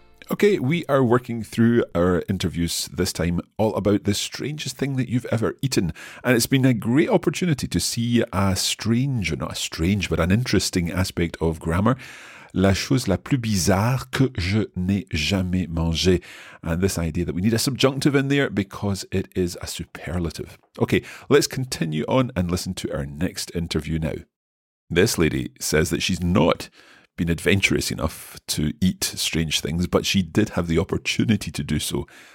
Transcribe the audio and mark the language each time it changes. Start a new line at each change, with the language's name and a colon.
English: Okay, we are working through our interviews this time all about the strangest thing that you've ever eaten. And it's been a great opportunity to see a strange, or not a strange, but an interesting aspect of grammar.
French: La chose la plus bizarre que je n'ai jamais mangé.
English: And this idea that we need a subjunctive in there because it is a superlative. Okay, let's continue on and listen to our next interview now. This lady says that she's not been adventurous enough to eat strange things, but she did have the opportunity to do so.